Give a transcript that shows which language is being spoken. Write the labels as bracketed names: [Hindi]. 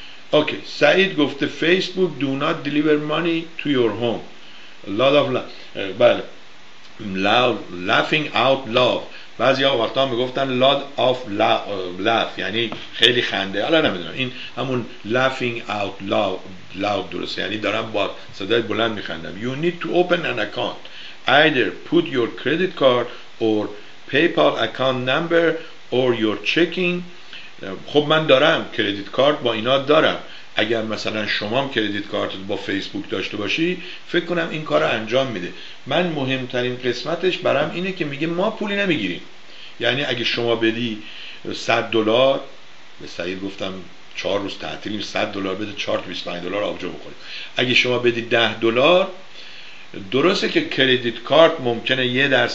[Persian] اوکی، سعید گفته [English] Facebook do not deliver money to your home lot of [Persian] بله [English] laughing out loud. [Persian] بعضی ها وقتا میگفتن [English] lot of laugh [Persian] یعنی خیلی خنده، حالا نمیدونم این همون [English] laughing out loud [Persian] درسته، یعنی دارم با صدای بلند میخندم. [English] You need to open an account, either put your credit card or PayPal account number or your checking. [Persian] خب من دارم کردیت کارت با اینا دارم، اگر مثلا شما هم کردیت کارت با فیسبوک داشته باشی فکر کنم این کار رو انجام میده. من مهمترین قسمتش برام اینه که میگه ما پولی نمیگیریم، یعنی اگه شما بدی 100 دلار به سعید گفتم 4 روز تعطیلیم 100 دلار بده 4 تا 25 دلار آبجو بخوری، اگه شما بدی 10 دلار درسته که کردیت کارت ممکنه